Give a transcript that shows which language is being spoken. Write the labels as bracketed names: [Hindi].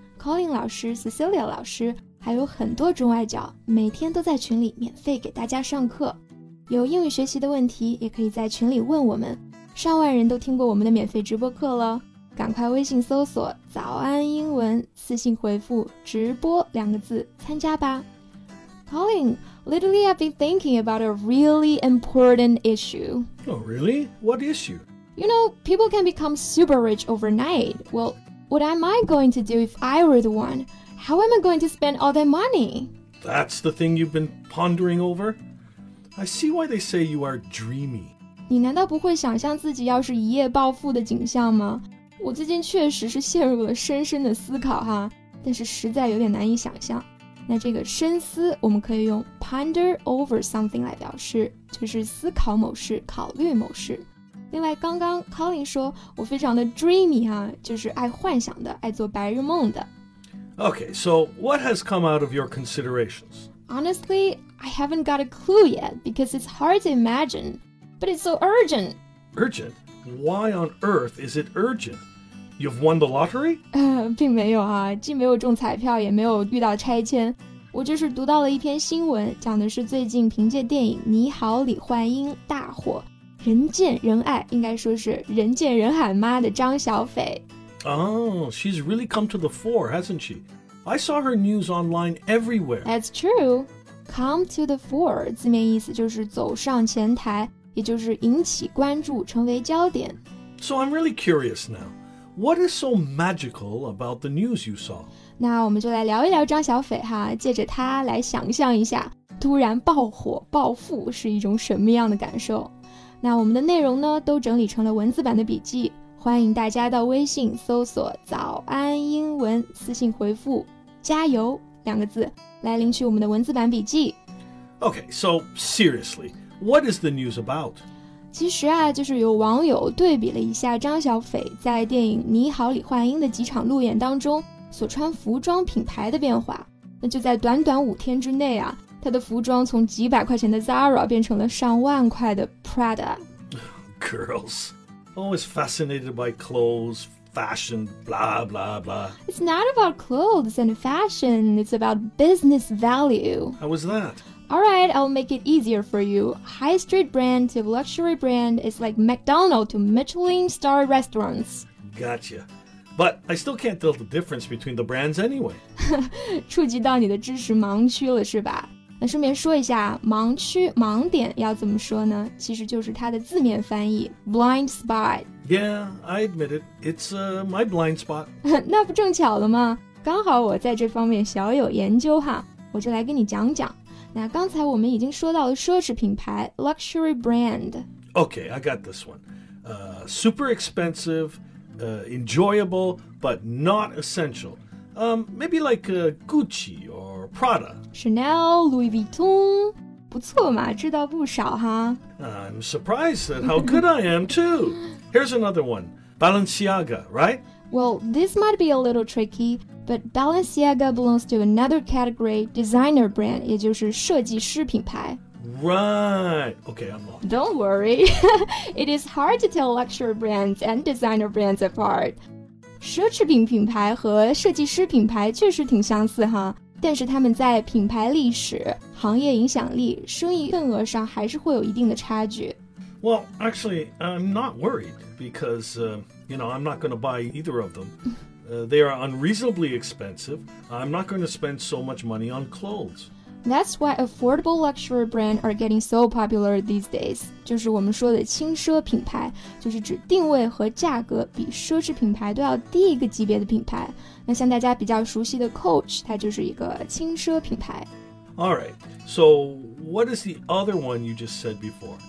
[Chinese] Colin 老师、Cecilia 老师，还有很多中外教，每天都在群里免费给大家上课。有英语学习的问题，也可以在群里问我们。上万人都听过我们的免费直播课了。赶快微信搜索早安英文，私信回复直播两个字参加吧。 [English] Colin, lately I've been thinking about a really important issue. Oh, really? What issue? You know, people can become super rich overnight. Well, what am I going to do if I were the one? How am I going to spend all that money? That's the thing you've been pondering over? I see why they say you are dreamy. [Chinese] 你难道不会想象自己要是一夜暴富的景象吗？我最近确实是陷入了深深的思考哈，但是实在有点难以想象。那这个深思我们可以用 [English] ponder over something [Chinese] 来表示，就是思考某事，考虑某事。另外刚刚 Colin 说我非常的 dreamy 哈，就是爱幻想的，爱做白日梦的。 [English] Okay, so what has come out of your considerations? Honestly, I haven't got a clue yet because it's hard to imagine, but it's so urgent. Urgent? Why on earth is it urgent? You've won the lottery? [Chinese] 并没有啊，既没有中彩票，也没有遇到拆迁。我就是读到了一篇新闻，讲的是最近凭借电影《你好，李焕英》大火，人见人爱，应该说是人见人喊妈的张小斐。 [English] Oh, she's really come to the fore, hasn't she? I saw her news online everywhere. That's true. Come to the fore, [Chinese] 字面意思就是走上前台。也就是引起关注，成为焦点。 [English] So I'm really curious now. What is so magical about the news you saw? [Chinese] 那我们就来聊一聊张小斐哈，借着他来想象一下，突然爆火、暴富是一种什么样的感受。那我们的内容呢，都整理成了文字版的笔记，欢迎大家到微信搜索早安英文，私信回复加油两个字，来领取我们的文字版笔记。 [English] Okay, so seriously,What is the news about? [Chinese] 其实啊，就是有网友对比了一下张小斐在电影《你好，李焕英》的几场路演当中所穿服装品牌的变化。那就在短短五天之内啊，她的服装从几百块钱的 Zara 变成了上万块的 Prada. [English] Girls, always fascinated by clothes, fashion, blah, blah, blah. It's not about clothes and fashion, it's about business value. How was that? Alright, I'll make it easier for you. High street brand to luxury brand is like McDonald's to Michelin star restaurants. Gotcha. But I still can't tell the difference between the brands anyway. [Chinese] 触及到你的知识盲区了是吧？那顺便说一下，盲区、盲点要怎么说呢？其实就是它的字面翻译 ,blind spot. [English] Yeah, I admit it. It's my blind spot. [Chinese] 那不正巧了吗？刚好我在这方面小有研究哈，我就来跟你讲讲。那刚才我们已经说到了奢侈品牌 luxury brand. [English] Okay, I got this one. Super expensive, enjoyable, but not essential. Maybe like Gucci or Prada. [Chinese] Chanel, Louis Vuitton. 不错嘛，知道不少哈。 [English] I'm surprised at how good I am too. Here's another one. Balenciaga, right? Well, this might be a little tricky. But Balenciaga belongs to another category, designer brand, [Chinese] 也就是设计师品牌。 [English] Right. Okay, I'm lost. Don't worry. It is hard to tell luxury brands and designer brands apart. [Chinese] 奢侈品品牌和设计师品牌确实挺相似哈，但是他们在品牌历史、行业影响力、生意份额上还是会有一定的差距。 [English] Well, actually, I'm not worried because, I'm not going to buy either of them. They are unreasonably expensive. I'm not going to spend so much money on clothes. That's why affordable luxury brands are getting so popular these days. [Chinese] 就是我们说的轻奢品牌，就是指定位和价格比奢侈品牌都要低一个级别的品牌。那像大家比较熟悉的 Coach, 它就是一个轻奢品牌。 [English] All right, So what is the other one you just said before?